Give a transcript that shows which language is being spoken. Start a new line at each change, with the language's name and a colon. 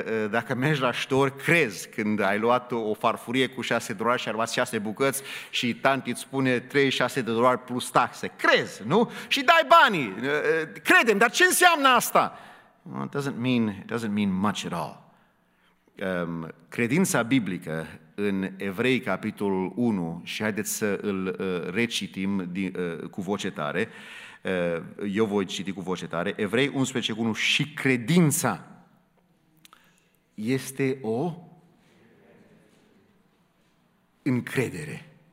Romanian: Dacă mergi la ștor, crezi când ai luat o farfurie cu 6 dolari și ai luat 6 bucăți și tanti îți spune 36 de dolari plus taxe. Crezi, nu? Și dai banii. Credem, dar ce înseamnă asta?
English: Well, it doesn't mean much at all.
Romanian: Credința biblică în Evrei capitolul 1, și haideți să îl recitim cu voce tare, eu voi citi cu voce tare, Evrei 11:1, și credința este o încredere.